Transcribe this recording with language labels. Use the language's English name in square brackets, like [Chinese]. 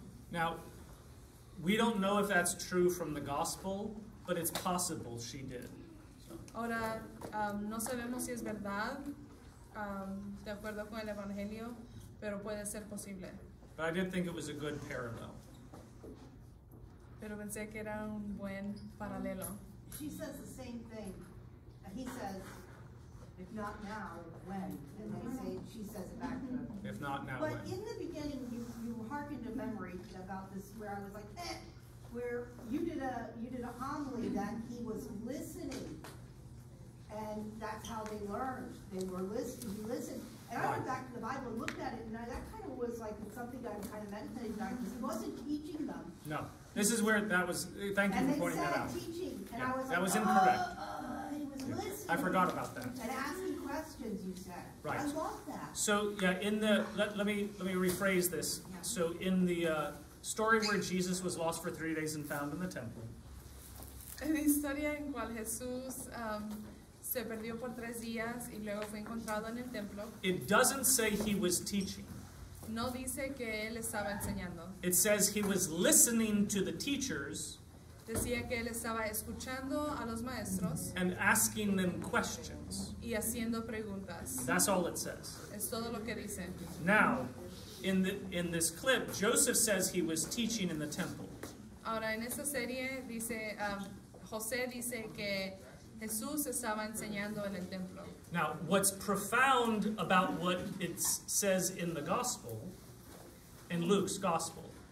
[English] Now, we don't know if that's true from the gospel, but it's possible she did. [Spanish] Ahora, no sabemos si es verdad, de acuerdo con el Evangelio, pero puede ser posible. [English] But I did think it was a good parallel. [Spanish] Pero pensé que era un buen paralelo. [English] She says the same thing. He says, if not now, when? And she says it back to him. If not now, but when? But in the beginning, you hearkened a memory about this where I was like, where you did a homily that he was listening. And that's how they learned. They were listening. He listened. And I went back to the Bible and looked at it, and that kind of was like something I'm kind of meditating on, because he wasn't teaching them. No. This is where that was. Thank you and for pointing that out. And they said teaching. And yeah. I was like, that was incorrect. Listening. I forgot about that. And asking questions, you said. Right. I love that. So yeah, in the let me rephrase this. Yeah. So in the story where Jesus was lost for 3 days and found in the temple. [Spanish] En la historia en cual Jesús se perdió por 3 días y luego fue encontrado en el templo. [English] It doesn't say he was teaching. [Spanish] No dice que él estaba enseñando. [English] It says he was listening to the teachers. [Spanish] Decía que él estaba escuchando a los maestros. [English] And asking them questions. [Spanish] Y haciendo preguntas. [English] That's all it says. [Spanish] Es todo lo que dice. [English] Now, in this clip, Joseph says he was teaching in the temple. [Spanish] Ahora, en esta serie, dice, José dice que Jesús estaba enseñando en el templo. [English] Now, what's profound about what it says in the gospel, in Luke's gospel.